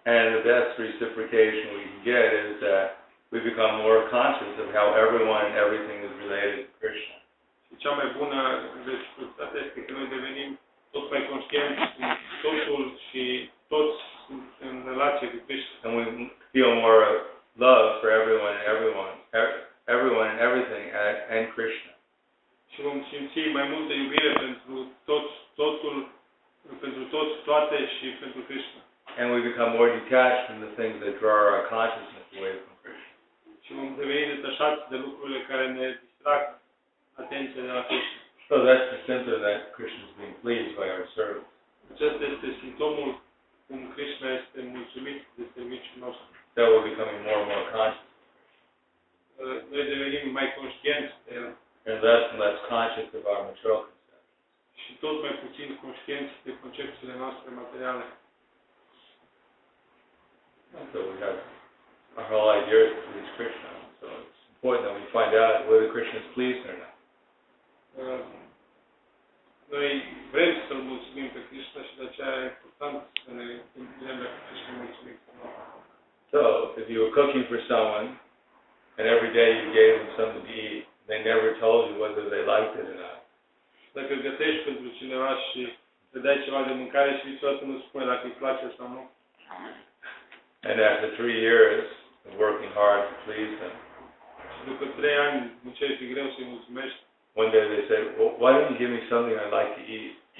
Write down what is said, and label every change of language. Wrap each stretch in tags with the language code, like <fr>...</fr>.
<en>And the best reciprocation we can get is that we become more conscious of how everyone and everything is related to Krishna.</en> <ro>Și cea mai bună reciprocitate este că noi devenim tot mai conștienți cu totul și toți sunt în relație cu Krishna.</ro> <en>And we feel more love for everyone and everyone, everyone and everything, and Krishna.</en> <ro>Și vom simți mai multă iubire pentru tot, totul, pentru toți, toate și pentru Krishna.</ro> <en>And we become more detached from the things that draw our consciousness away from Krishna.</en> <ro>Și vom deveni detașați de lucrurile care ne distrag atenția de la Krishna.</ro> <en>So that's the symptom that Krishna is being pleased by our service.</en> <ro>Acesta este simptomul cum Krishna este mulțumit de serviciul nostru.</ro> <en>That we're becoming more and more conscious.</en> <ro>Noi devenim mai conștienți de el.</ro> <en>And less and less conscious of our material conceptions.</en> <ro>Și tot mai puțin conștienți de concepțiile noastre materiale.</ro> <en>So we have our whole idea is to please Krishna. So it's important that we find out whether Krishna is pleased or not.</en> <ro>Noi vrem să-L mulțumim pe Krishna și de aceea e important să ne gândim dacă Krishna e mulțumit.</ro> <en>So, if you were cooking for someone, and every day you gave them something to eat, they never told you whether they liked it or not.</en> <ro>Dacă gătești pentru cineva și te dai ceva de mâncare și niciodată nu spune dacă îi place sau nu.</ro> <en>And after 3 years of working hard to please them,</en> <ro>după 3 ani muncești greu să-i mulțumești,</ro> <en>one day they say, well, why don't you give me something I'd like to eat?</en>